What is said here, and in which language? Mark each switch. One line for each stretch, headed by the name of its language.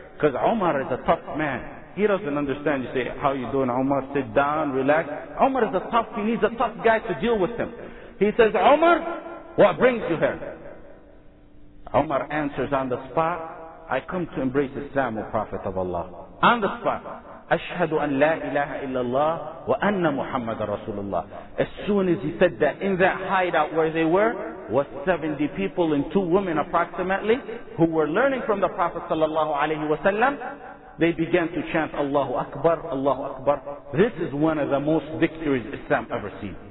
English: Because Umar is a tough man. He doesn't understand. You say, "How are you doing, Umar? Sit down, relax." Umar is a tough, he needs a tough guy to deal with him. He says, "Umar, what brings you here?" Umar answers on the spot, "I come to embrace Islam, O Prophet of Allah." On the spot.
Arabic: أشهد أن لا إله إلا الله وأن محمد رسول الله.
English: As soon as he said that, in that hideout where they were, was 70 people and two women approximately, who were learning from the Prophet
Arabic: صلى الله عليه وسلم.
English: They began to chant Allahu Akbar, Allahu Akbar. This is one of the most victories Islam ever seen.